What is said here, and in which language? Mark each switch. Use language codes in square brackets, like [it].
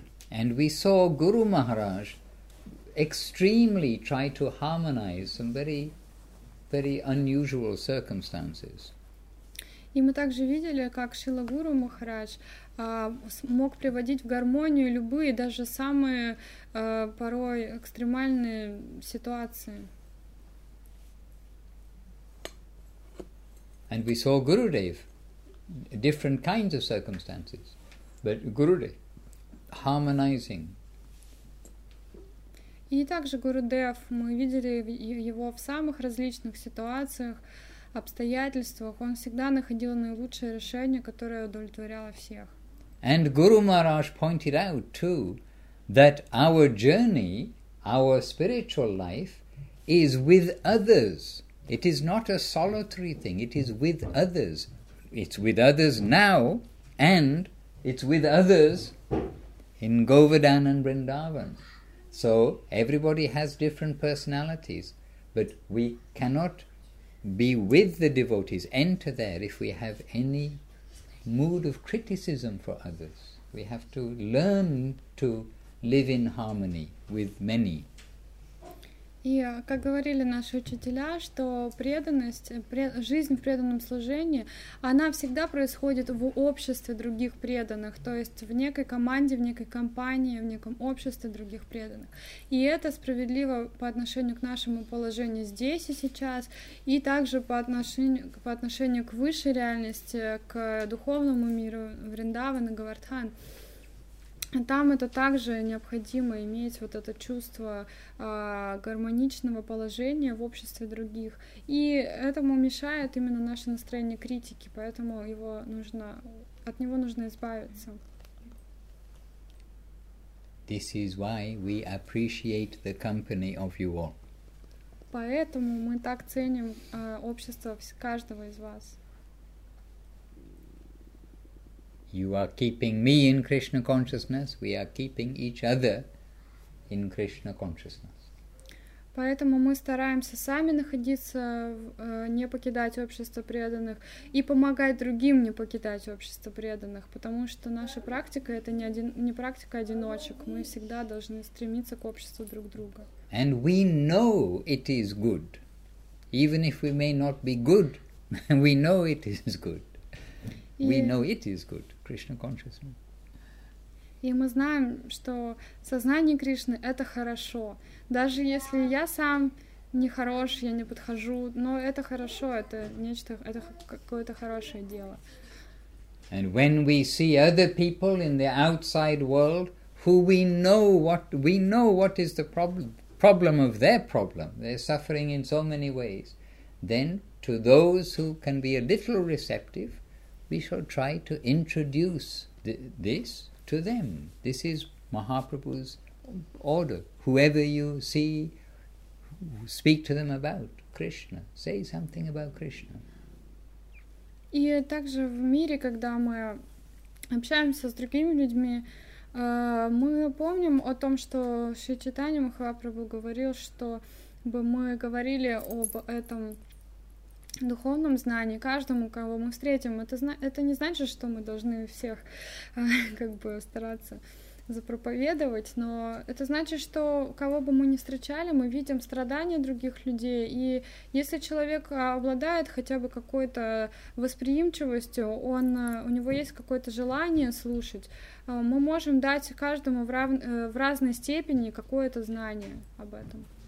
[en] And we saw Guru Maharaj extremely try to harmonize some very, very unusual circumstances. [ru] И мы также видели, как Шрила Гуру Махарадж мог приводить в гармонию любые, даже самые порой экстремальные ситуации. [en] And we saw Gurudev, different kinds of circumstances, but Gurudev harmonizing. [ru] И также Гурудев, мы видели его в самых различных ситуациях, обстоятельствах, он всегда находил наилучшее решение, которое удовлетворяло всех. [en] And Guru Maharaj pointed out too that our journey, our spiritual life is with others. It is not a solitary thing, it is with others. It's with others now and it's with others in Govardhan and Vrindavan. So everybody has different personalities, but we cannot be with the devotees, enter there if we have any mood of criticism for others. We have to learn to live in harmony with many. [ru] И, как говорили наши учителя, что преданность, жизнь в преданном служении, она всегда происходит в обществе других преданных, то есть в некой команде, в некой компании, в неком обществе других преданных. И это справедливо по отношению к нашему положению здесь и сейчас, и также по отношению к высшей реальности, к духовному миру Вриндаван и Говардхан. Там это также необходимо иметь вот это чувство гармоничного положения в обществе других. И этому мешает именно наше настроение критики, поэтому его нужно, от него нужно избавиться. [en] This is why we appreciate the company of you all. [ru] Поэтому мы так ценим общество каждого из вас. [en] You are keeping me in Krishna consciousness, we are keeping each other in Krishna consciousness. [ru] Поэтому мы стараемся сами находиться, не покидать общество преданных и помогать другим не покидать общество преданных, потому что наша практика — это не практика одиночек, мы всегда должны стремиться к обществу друг друга. [en] And we know it is good. Even if we may not be good, we know it is good. We know it is good. Krishna consciousness. [ru] И мы знаем, что сознание Кришны — это хорошо. Даже если я сам не хорош, я не подхожу, но это хорошо, это нечто, это какое-то хорошее дело. [en] And when we see other people in the outside world who we know what is the problem of their problem, they're suffering in so many ways, then to those who can be a little receptive, we shall try to introduce this to them. This is Mahaprabhu's order. Whoever you see, speak to them about Krishna. Say something about Krishna. [ru] И также в мире, когда мы общаемся с другими людьми, мы помним о том, что Шри Чайтанья Махапрабху говорил, что бы мы говорили об этом духовном знании каждому, кого мы встретим, это не значит, что мы должны всех как бы стараться запроповедовать, но это значит, что кого бы мы ни встречали, мы видим страдания других людей, и если человек обладает хотя бы какой-то восприимчивостью, у него есть какое-то желание слушать, мы можем дать каждому в разной степени какое-то знание об этом.